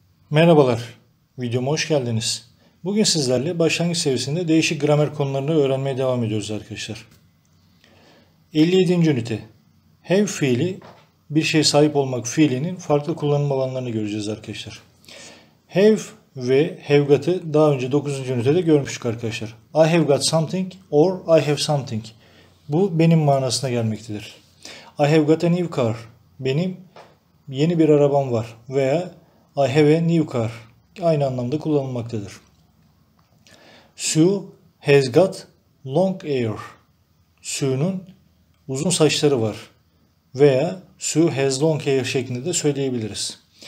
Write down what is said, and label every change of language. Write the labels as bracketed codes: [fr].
[tr] Merhabalar, videoma hoş geldiniz. Bugün sizlerle başlangıç seviyesinde değişik gramer konularını öğrenmeye devam ediyoruz arkadaşlar. 57. ünite, have fiili, bir şeye sahip olmak fiilinin farklı kullanım alanlarını göreceğiz arkadaşlar. Have ve have got'ı daha önce 9. ünitede görmüştük arkadaşlar. [en] I have got something or I have something. [tr] Bu benim manasına gelmektedir. [en] I have got a new car. [tr] Benim yeni bir arabam var veya [en] I have a new car. [tr] Aynı anlamda kullanılmaktadır. [en] Sue has got long hair. [tr] Sue'nun uzun saçları var. Veya [en] Sue has long hair [tr] şeklinde de söyleyebiliriz.